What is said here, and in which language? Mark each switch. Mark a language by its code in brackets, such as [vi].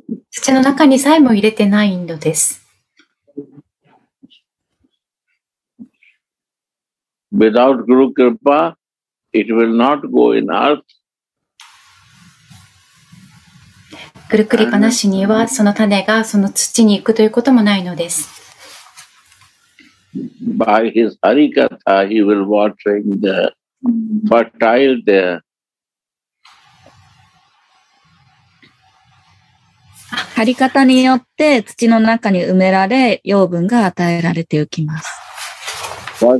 [ja] 土の中にさえも入れてないのです。 [en] Without Guru Kripa, it will not go in earth. [ja] グルクリパなしにはその種がその土に行くということもないのです。 [en] By his Harikatha, he will watering the fertile there. [ja] 刈り方によって土の中に埋められ養分が与えられていきます。